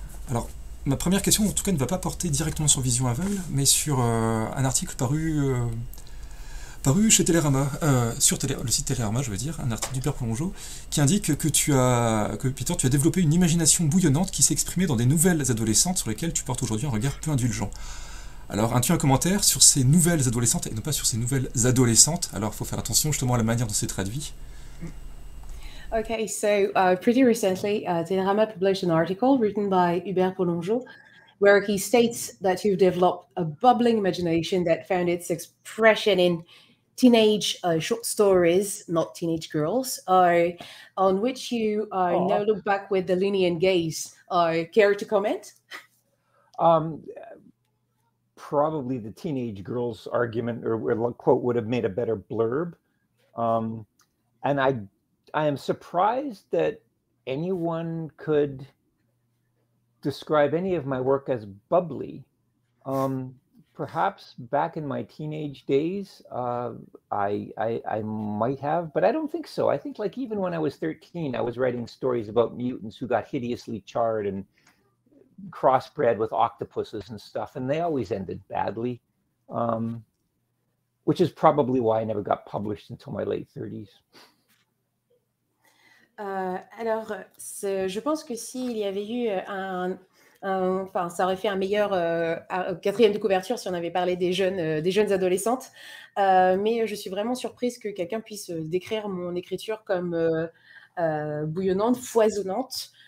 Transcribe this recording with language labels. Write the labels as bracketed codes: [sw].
[fr] Alors, ma première question, en tout cas, ne va pas porter directement sur Vision aveugle, mais sur un article paru chez Télérama, sur le site Télérama, je veux dire, un article d'Hubert Plongeot, qui indique que Peter, tu as développé une imagination bouillonnante qui s'exprimait dans des nouvelles adolescentes sur lesquelles tu portes aujourd'hui un regard peu indulgent. Alors, as-tu un commentaire sur ces nouvelles adolescentes et non pas sur ces nouvelles adolescentes? Alors, il faut faire attention justement à la manière dont c'est traduit. [en] Okay, so pretty recently, Télérama published an article written by Hubert Plongeot, where he states that you've developed a bubbling imagination that found its expression in teenage short stories, not teenage girls, on which you now Oh. look back with the Linnean gaze. Care to comment? Probably the teenage girls argument or quote would have made a better blurb. And I am surprised that anyone could describe any of my work as bubbly. Perhaps back in my teenage days, I might have, but I don't think so. I think like even when I was 13, I was writing stories about mutants who got hideously charred and crossbred with octopuses and stuff, and they always ended badly, which is probably why I never got published until my late 30s. [fr] Alors, je pense que s'il y avait eu Enfin, ça aurait fait un meilleur quatrième de couverture si on avait parlé des jeunes adolescentes. Mais je suis vraiment surprise que quelqu'un puisse décrire mon écriture comme bouillonnante, foisonnante.